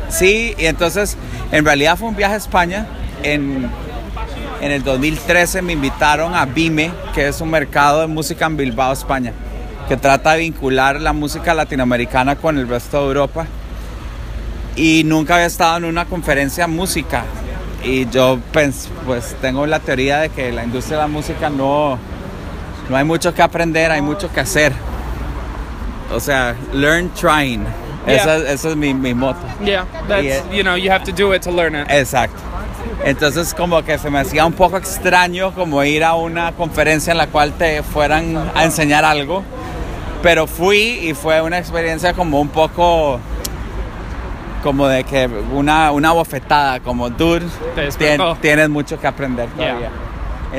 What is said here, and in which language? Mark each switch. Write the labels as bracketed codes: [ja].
[es] Sí, y entonces en realidad fue un viaje a España. En el 2013 me invitaron a BIME, que es un mercado de música en Bilbao, España, que trata de vincular la música latinoamericana con el resto de Europa. Y nunca había estado en una conferencia música. Y yo pues tengo la teoría de que la industria de la música no hay mucho que aprender, hay mucho que hacer. O sea, [en] learn trying. Yeah. [es] Esa es mi moto. [en] Yeah, you have to do it to learn it. [es] Exacto. Entonces como que se me hacía un poco extraño como ir a una conferencia en la cual te fueran a enseñar algo. Pero fui y fue una experiencia como un poco, como de que una bofetada, como dude, tienes mucho que aprender todavía. Yeah.